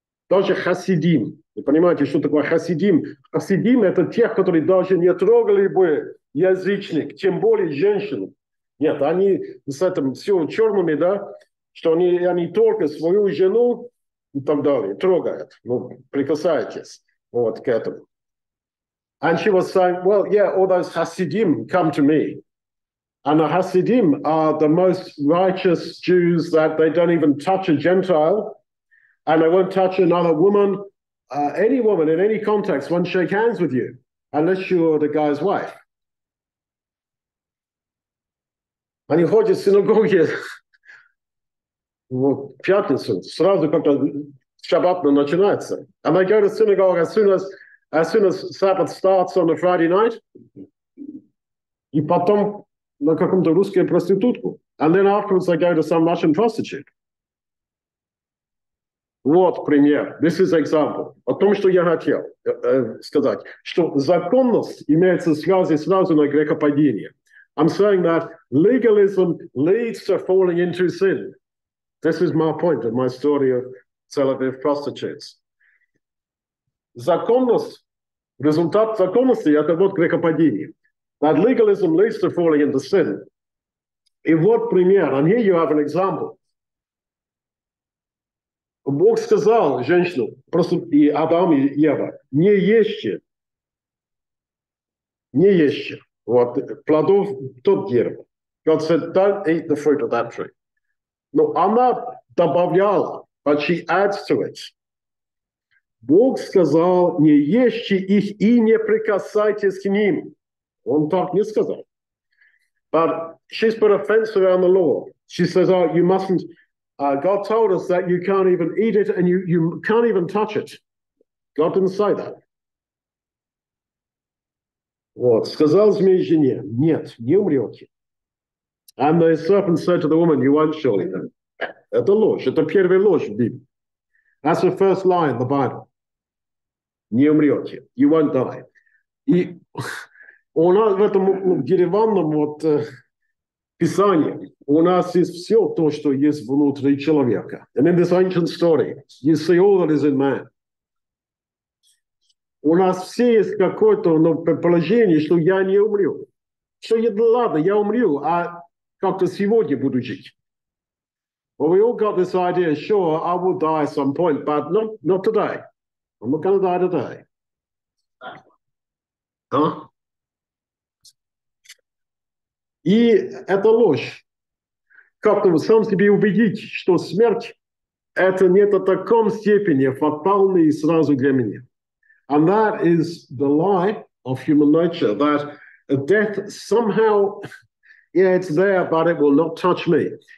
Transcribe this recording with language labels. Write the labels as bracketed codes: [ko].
[ru] Даже хасидим. Вы понимаете, что такое хасидим? Хасидим – это тех, которые даже не трогали бы язычник, тем более женщину. Нет, они с этим все черными, да, что они только свою жену, и так далее, трогает, ну, прикасаетесь, вот, к этому. [en] And she was saying, well, yeah, all those Hasidim come to me. And the Hasidim are the most righteous Jews that they don't even touch a Gentile, and they won't touch another woman, any woman in any context won't shake hands with you, unless you're the guy's wife. [ru] Они ходят в синагоги. Вот пятницу, сразу как-то Шаббат начинается. [en] And they go to synagogue as soon as Sabbath starts on a Friday night. [ru] И потом на каком-то русском проститутку. [en] And then afterwards they go to some Russian prostitute. [ru] Вот пример. [en] This is example. [ru] О том, что я хотел сказать. Что законность имеется в связи сразу на грехопадение. [en] I'm saying that legalism leads to falling into sin. This is my point of my story of Tel Aviv prostitutes. [ru] Законность, результат законности – это вот грехопадение. [en] That legalism leads to falling into sin. [ru] И вот пример, [en] and here you have an example. [ru] Бог сказал женщину, просто и Адам, и Ева, не ешьте, вот, плодов тот дерево. [en] God said, don't eat the fruit of that tree. [ru] Но она добавляла, [en] but she adds to it. [ru] Бог сказал, не ешьте их и не прикасайтесь к ним. Он так не сказал. [en] But she's put a fence around the law. She says, oh, you mustn't. God told us that you can't even eat it and you can't even touch it. God didn't say that. [ru] Вот, сказал змей жене, нет, не умрете. [en] And the serpent said to the woman, you won't surely die. [ru] Это ложь, это первая ложь в Библии. [en] That's the first lie in the Bible. [ru] Не умрете, [en] you won't die. [ru] И у нас в этом деревянном вот писании у нас есть все то, что есть внутри человека. [en] And in this ancient story, you see all that is in man. [ru] У нас все есть какое-то предположение, что я не умру. Что я, ладно, я умру, а как-то сегодня буду жить. [en] Well, we all got this idea, sure, I will die at some point, but not today. I'm not going to die today. Huh? [ru] И это ложь. Как-то сам себе убедить, что смерть – это не в таком степени фатальный сразу для меня. [en] And that is the lie of human nature, that death somehow, yeah, it's there, but it will not touch me.